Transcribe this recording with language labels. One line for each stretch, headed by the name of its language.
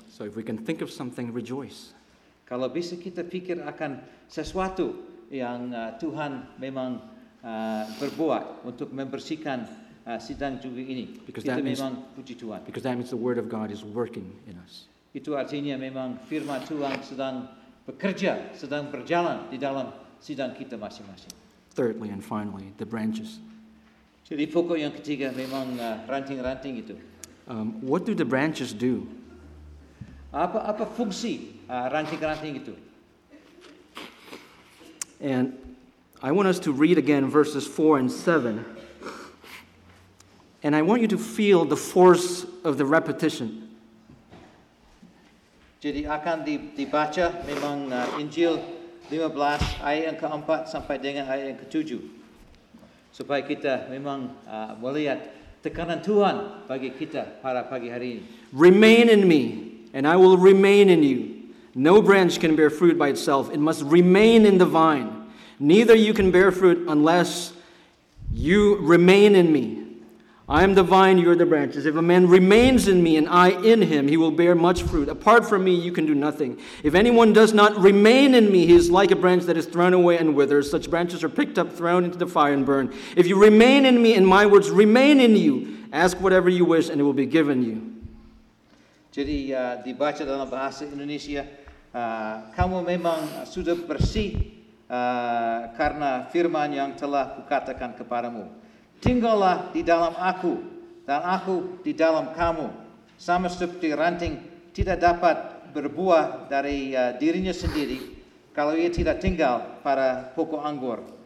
English: So if we can think of something, rejoice.
Indonesian: Kalau bisa kita pikir akan sesuatu yang Tuhan memang berbuat untuk membersihkan sidang juga ini,
English: because that
Indonesian: kita
English: means,
Indonesian: memang puji Tuhan.
English: Because that means the word of God is working in us.
Indonesian: Itu artinya memang firman Tuhan sedang bekerja, sedang berjalan di dalam sidang kita masing-masing.
English: Thirdly and finally, the branches.
Indonesian: Jadi pokok yang ketiga memang ranting-ranting itu.
English: What do the branches do?
Indonesian: Apa fungsi ranting-ranting itu?
English: And I want us to read again verses 4 and 7. And I want you to feel the force of the repetition.
Indonesian: Jadi akan dibaca memang Injil 15 ayat yang ke-4 sampai dengan ayat yang ke-7. Supaya kita memang melihat tekanan Tuhan bagi kita pada pagi hari ini.
English: Remain in me, and I will remain in you. No branch can bear fruit by itself. It must remain in the vine. Neither you can bear fruit unless you remain in me. I am the vine, you are the branches. If a man remains in me and I in him, he will bear much fruit. Apart from me, you can do nothing. If anyone does not remain in me, he is like a branch that is thrown away and withers. Such branches are picked up, thrown into the fire and burned. If you remain in me and my words remain in you, ask whatever you wish and it will be given you.
Indonesian: Jadi dibaca dalam bahasa Indonesia, kamu memang sudah bersih karena firman yang telah kukatakan kepadamu. Tinggallah di dalam aku, dan aku di dalam kamu. Sama seperti ranting tidak dapat berbuah dari dirinya sendiri kalau ia tidak tinggal pada pokok anggur.